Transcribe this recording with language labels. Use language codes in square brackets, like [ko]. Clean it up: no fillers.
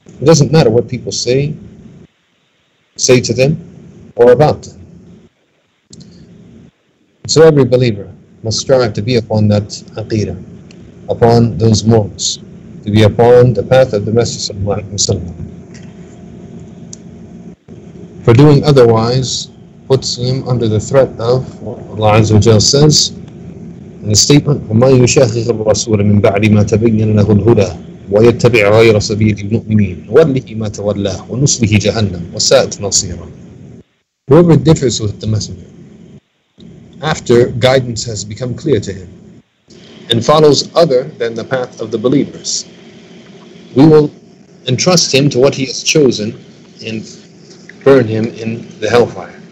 [en] It doesn't matter what people say to them or about them. So every believer must strive to be upon that aqidah, upon those morals, to be upon the path of the Messenger sallallahu alaihi wasallam. For doing otherwise puts him under the threat of what Allah Azza wa Jal says in the statement, [ar] وَمَنْ يُشَاخِخِ الرَّسُولَ مِنْ بَعْدِ مَا تَبَيَّنَ لَهُ الْهُدَى وَيَتَّبِعْ غَيْرَ سَبِيلِ الْمُؤْمِنِينَ وَلِّهِ مَا تَوَلَّهُ وَنُصْلِهِ جَهَنَّمُ وَسَاءَتْ نَصِيرًا. [en] Whoever differs with the Messenger after guidance has become clear to him and follows other than the path of the believers, we will entrust him to what he has chosen and burn him in the hellfire.